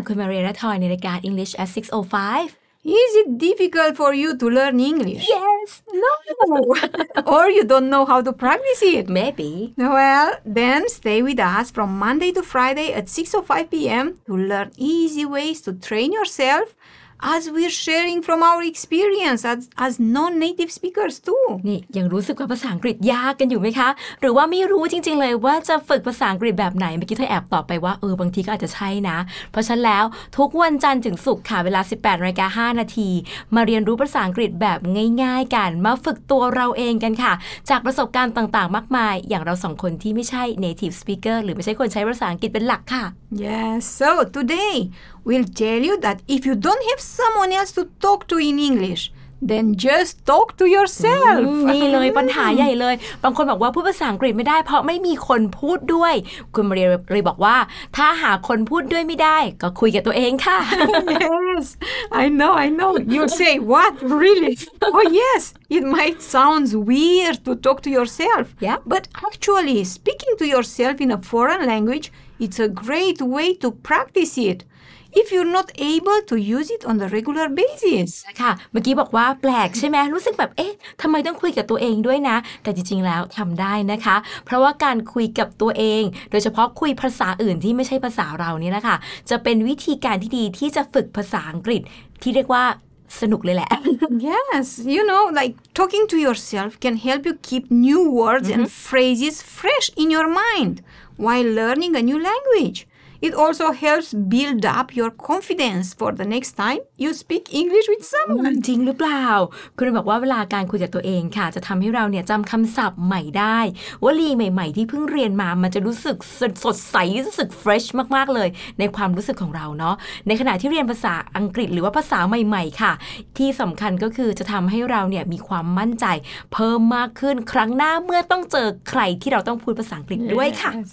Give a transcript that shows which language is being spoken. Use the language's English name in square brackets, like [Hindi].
[Thai] คุณ Maria และ Toy ในรายการ English at 6:05. [English] Is it difficult for you to learn English? Yes, no. Or you don't know how to practice it? Maybe. Well, then stay with us from Monday to Friday at 6:05 p.m. to learn easy ways to train yourself as we're sharing from our experience as non-native speakers too. [Thai] นี่ยังรู้สึกว่าภาษาอังกฤษยากกันอยู่ไหมคะหรือว่าไม่รู้จริงๆเลยว่าจะฝึกภาษาอังกฤษแบบไหนเมื่อกี้เธอแอบตอบไปว่าบางทีก็อาจจะใช่นะเพราะฉะนั้นแล้วทุกวันจันทร์ถึงศุกร์ค่ะเวลา 18:05 นมาเรียนรู้ภาษาอังกฤษแบบง่ายๆกันมาฝึกตัวเราเองกันค่ะจากประสบการณ์ต่างๆมากมายอย่างเรา2คนที่ไม่ใช่ native speaker หรือไม่ใช่คนใช้ภาษาอังกฤษเป็นหลักค่ะ [English] Yes so todayWe'll tell you that if you don't have someone else to talk to in English, then just talk to yourself. [Thai] นี่เลยปัญหาใหญ่เลยบางคนบอกว่าพูดภาษาอังกฤษไม่ได้เพราะไม่มีคนพูดด้วยคุณมาเรียเลยบอกว่าถ้าหาคนพูดด้วยไม่ได้ก็คุยกับตัวเองค่ะ [English] Yes, I know. You'll say, what? Really? Oh, yes. It might sound weird to talk to yourself. Yeah. But actually, speaking to yourself in a foreign language, it's a great way to practice it. If you're not able to use it on a regular basis. [Thai] ค่ะเมื่อกี้บอกว่าแปลกใช่ไหมรู้สึกแบบเอ๊ะทำไมต้องคุยกับตัวเองด้วยนะแต่จริงๆแล้วทำได้นะคะเพราะว่าการคุยกับตัวเองโดยเฉพาะคุยภาษาอื่นที่ไม่ใช่ภาษาเรานี่นะคะจะเป็นวิธีการที่ดีที่จะฝึกภาษาอังกฤษที่เรียกว่าสนุกเลยแหละ [English] Yes, you know, like talking to yourself can help you keep new words and phrases fresh in your mind while learning a new language. It also helps build up your confidence for the next time you speak English with someone. [Thai] จริงหรือเปล่าคุณบอกว่าเวลาการคุยกับตัวเองค่ะจะทำให้เราเนี่ยจำคำศัพท์ใหม่ได้วลีใหม่ๆที่เพิ่งเรียนมามันจะรู้สึกสดใสรู้สึก fresh มากๆเลยในความรู้สึกของเราเนาะในขณะที่เรียนภาษาอังกฤษหรือว่าภาษาใหม่ๆค่ะที่สำคัญก็คือจะทำให้เราเนี่ยมีความมั่นใจเพิ่มมากขึ้นครั้งหน้าเมื่อต้องเจอใครที่เราต้องพูดภาษาอังกฤษด้วยค่ะ